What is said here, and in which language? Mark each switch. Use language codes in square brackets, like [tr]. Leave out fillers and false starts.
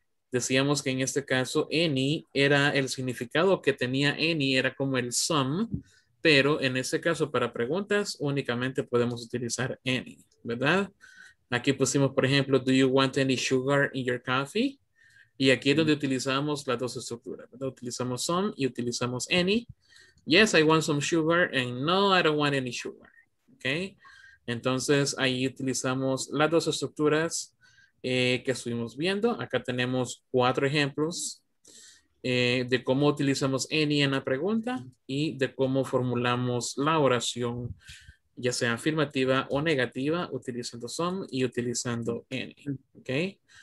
[es] Decíamos que en este caso any era el significado que tenía any, era como el some, pero en este caso para preguntas únicamente podemos utilizar any, ¿verdad? Aquí pusimos por ejemplo, [en] do you want any sugar in your coffee? [es] Y aquí es donde utilizamos las dos estructuras, ¿verdad? Utilizamos some y utilizamos any. [en] Yes, I want some sugar, and no, I don't want any sugar. Okay. [es] Entonces, ahí utilizamos las dos estructuras que estuvimos viendo. Acá tenemos cuatro ejemplos de cómo utilizamos any en la pregunta y de cómo formulamos la oración, ya sea afirmativa o negativa, utilizando some y utilizando any. ¿Okay?